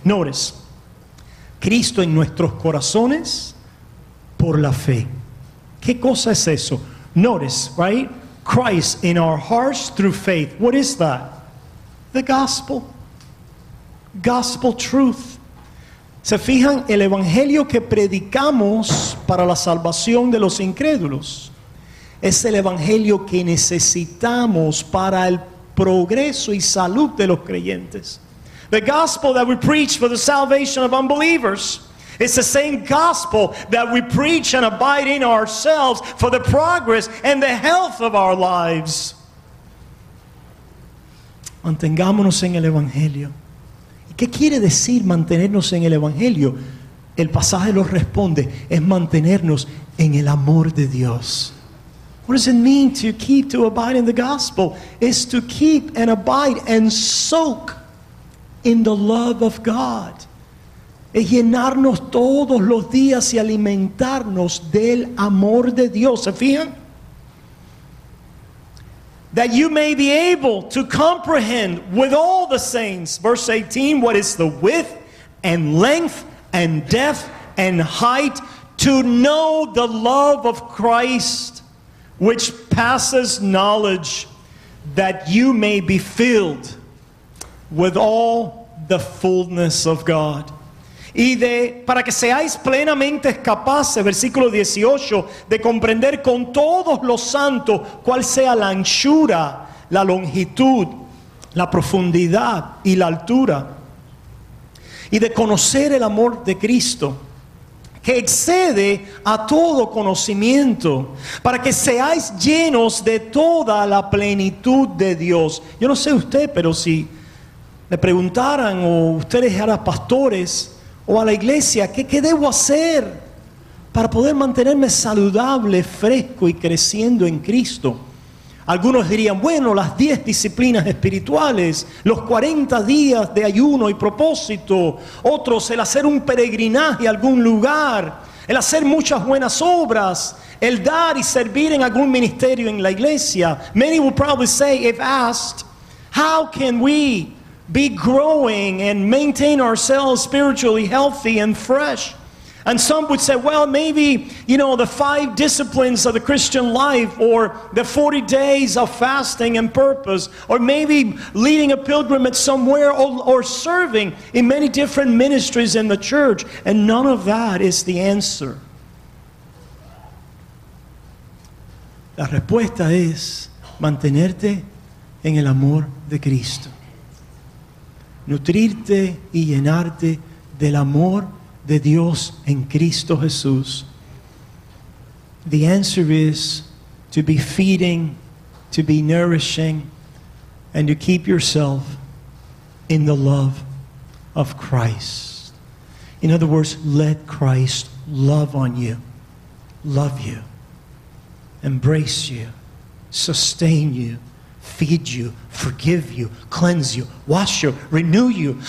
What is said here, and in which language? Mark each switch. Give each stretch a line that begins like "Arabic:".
English: Notice,
Spanish: Cristo en nuestros corazones por la fe. ¿Qué cosa es eso?
English: Notice, right? Christ in our hearts through faith. What is that? The gospel. Gospel truth.
Spanish: ¿Se fijan? El evangelio que predicamos para la salvación de los incrédulos es el evangelio que necesitamos para el progreso y salud de los creyentes.
English: The gospel that we preach for the salvation of unbelievers, it's the same gospel that we preach and abide in ourselves for the progress and the health of our lives.
Spanish: Mantengámonos en el evangelio. ¿Y qué quiere decir mantenernos en el evangelio? El pasaje lo responde, es mantenernos en el amor de Dios.
English: What does it mean to keep, to abide in the gospel? It's to keep and abide and soak in the love of God.
Spanish: Es llenarnos todos los días y alimentarnos del amor de Dios. ¿Se fijan?
English: That you may be able to comprehend with all the saints, verse 18, what is the width and length and depth and height, to know the love of Christ which passes knowledge, that you may be filled with all the fullness of God.
Spanish: Y de, para que seáis plenamente capaces, versículo 18, de comprender con todos los santos cuál sea la anchura, la longitud, la profundidad y la altura. Y de conocer el amor de Cristo, que excede a todo conocimiento, para que seáis llenos de toda la plenitud de Dios. Yo no sé usted, pero si le preguntaran, o ustedes a los pastores o a la iglesia, ¿qué debo hacer para poder mantenerme saludable, fresco y creciendo en Cristo? Algunos dirían, bueno, las 10 disciplinas espirituales, los 40 días de ayuno y propósito. Otros, el hacer un peregrinaje a algún lugar, el hacer muchas buenas obras, el dar y servir en algún ministerio en la iglesia.
English: Many will probably say, if asked, how can we be growing and maintain ourselves spiritually healthy and fresh? And some would say, well, maybe, you know, the 5 disciplines of the Christian life, or the 40 days of fasting and purpose, or maybe leading a pilgrimage somewhere, or serving in many different ministries in the church. And none of that is the answer.
Spanish: La respuesta es mantenerte en el amor de Cristo. Nutrirte y llenarte del amor de Dios en Cristo Jesús.
English: The answer is to be feeding, to be nourishing, and to keep yourself in the love of Christ. In other words, let Christ love on you, love you, embrace you, sustain you, feed you, forgive you, cleanse you, wash you, renew you.